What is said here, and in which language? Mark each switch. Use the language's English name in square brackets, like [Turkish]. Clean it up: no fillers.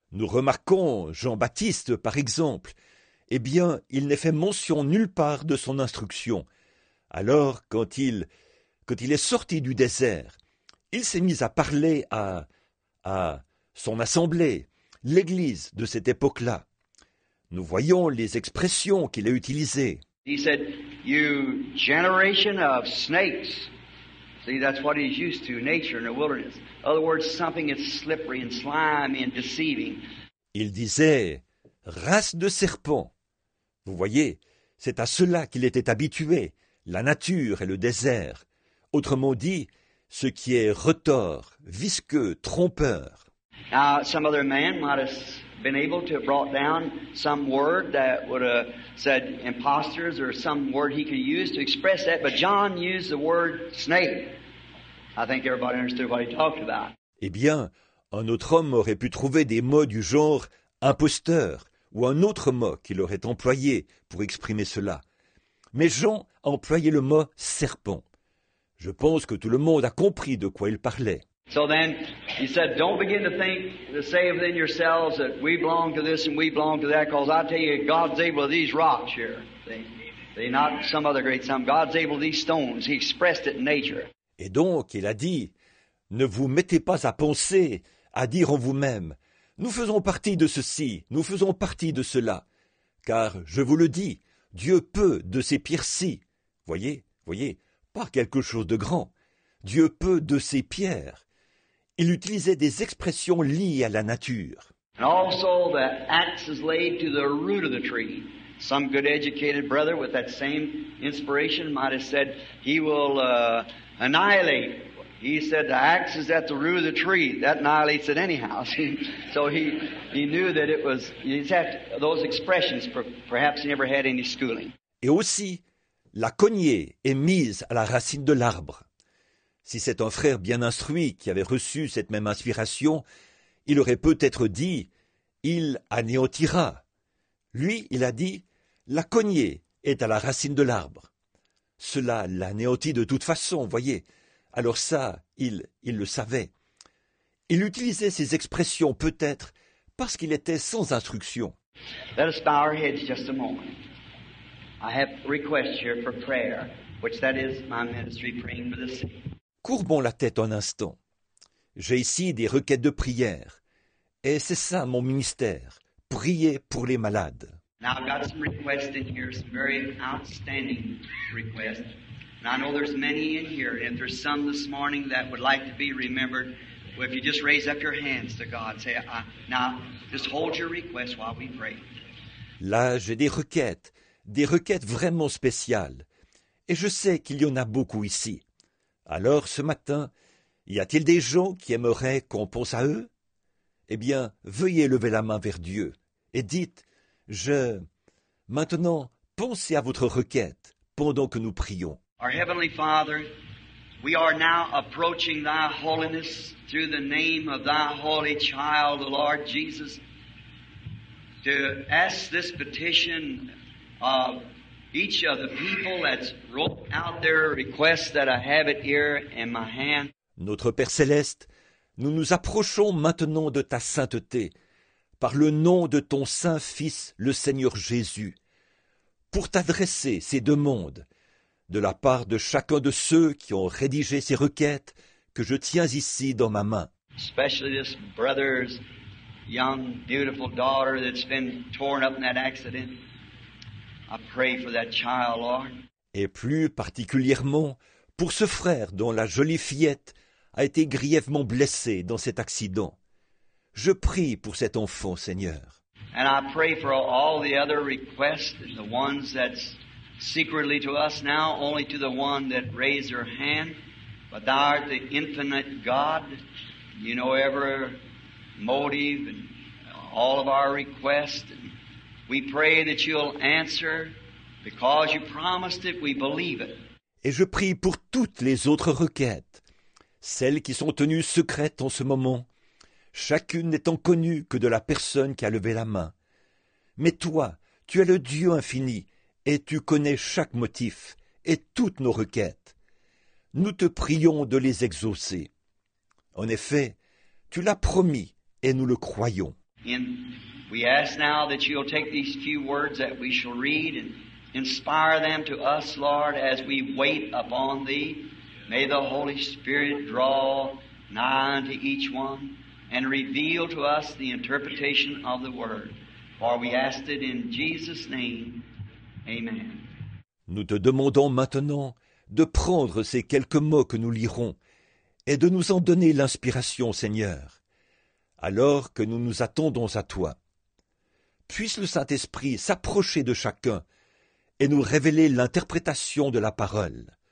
[French] Nous remarquons Jean-Baptiste, par exemple. Eh bien, il n'est fait mention nulle part de son instruction. Alors, quand il est sorti du désert, il s'est mis à parler à son assemblée, l'Église de cette époque-là. Nous voyons les expressions qu'il a utilisées. [English] He said, "You generation of snakes." See, that's what he's used to, nature in the wilderness. In other words, something is slippery and slimy and deceiving. [French] Il disait, race de serpents. Vous voyez, c'est à cela qu'il était habitué, la nature et le désert. Autrement dit, ce qui est retors, visqueux, trompeur. [English] Now, some other man might have been able to have brought down some word that would have said imposters or some word he could use to express that, but John used the word snake. I think everybody understood what he talked about. [French] Eh bien, un autre homme aurait pu trouver des mots du genre imposteur ou un autre mot qu'il aurait employé pour exprimer cela. Mais Jean a employé le mot serpent. Je pense que tout le monde a compris de quoi il parlait. [English] So then, he said, don't begin to think, to say within yourselves that we belong to this and we belong to that, because I tell you, God's able to these rocks here. They're not some other great sum. God's able to these stones. He expressed it in nature. [French] Et donc, il a dit, ne vous mettez pas à penser, à dire en vous-même, nous faisons partie de ceci, nous faisons partie de cela. Car, je vous le dis, Dieu peut de ces pierres-ci, voyez, par quelque chose de grand, Dieu peut de ces pierres. Il utilisait des expressions liées à la nature. [English] And also the axe is laid to the root of the tree. Some good educated brother with that same inspiration might have said, he will annihilate. He said, the axe is at the root of the tree. That annihilates it anyhow. So he knew that it was, he's had those expressions, perhaps he never had any schooling. [French] Et aussi, la cognée est mise à la racine de l'arbre. Si c'est un frère bien instruit qui avait reçu cette même inspiration, il aurait peut-être dit « il anéantira ». Lui, il a dit « la cognée est à la racine de l'arbre ». Cela l'anéantit de toute façon, voyez. Alors ça, il le savait. Il utilisait ces expressions peut-être parce qu'il était sans instruction. [English] Let us bow our heads just a moment. I have a request here for prayer, which that is my ministry praying for the sick. [French] Courbons la tête un instant. J'ai ici des requêtes de prière. Et c'est ça mon ministère, prier pour les malades. [English] Now I've got some requests in here, some very outstanding requests. And I know there's many in here, and there's some this morning that would like to be remembered. Well, if you just raise up your hands to God, say, now just hold your request while we pray. [French] Là, j'ai des requêtes vraiment spéciales. Et je sais qu'il y en a beaucoup ici. Alors, ce matin, y a-t-il des gens qui aimeraient qu'on pense à eux? Eh bien, veuillez lever la main vers Dieu et dites, « Je... » Maintenant, pensez à votre requête pendant que nous prions. [English] Our Heavenly Father, we are now approaching Thy holiness through the name of Thy holy child, the Lord Jesus, to ask this petition of each of the people that's wrote out their request that I have it here in my hand. [French] Notre Père Céleste, nous nous approchons maintenant de ta sainteté par le nom de ton Saint-Fils, le Seigneur Jésus, pour t'adresser ces demandes de la part de chacun de ceux qui ont rédigé ces requêtes que je tiens ici dans ma main. [English] Especially this brother's young, beautiful daughter that's been torn up in that accident. I pray for that child, Lord. [French] Et plus particulièrement pour ce frère dont la jolie fillette a été grièvement blessée dans cet accident. Je prie pour cet enfant, Seigneur. [English] And I pray for all the other requests, the ones that's secretly to us now, only to the one that raised her hand. But thou art the infinite God. You know every motive and all of our requests. We pray that you'll answer, because you promised it, we believe it. [French] Et je prie pour toutes les autres requêtes, celles qui sont tenues secrètes en ce moment, chacune n'étant connue que de la personne qui a levé la main. Mais toi, tu es le Dieu infini, et tu connais chaque motif et toutes nos requêtes. Nous te prions de les exaucer. En effet, tu l'as promis et nous le croyons. [English] And we ask now that you'll take these few words that we shall read and inspire them to us, Lord, as we wait upon thee. May the Holy Spirit draw nigh unto each one and reveal to us the interpretation of the word. For we ask it in Jesus' name. Amen. [French] Nous te demandons maintenant de prendre ces quelques mots que nous lirons et de nous en donner l'inspiration, Seigneur, alors que nous nous attendons à toi. Puisse le Saint-Esprit s'approcher de chacun et nous révéler l'interprétation de la parole.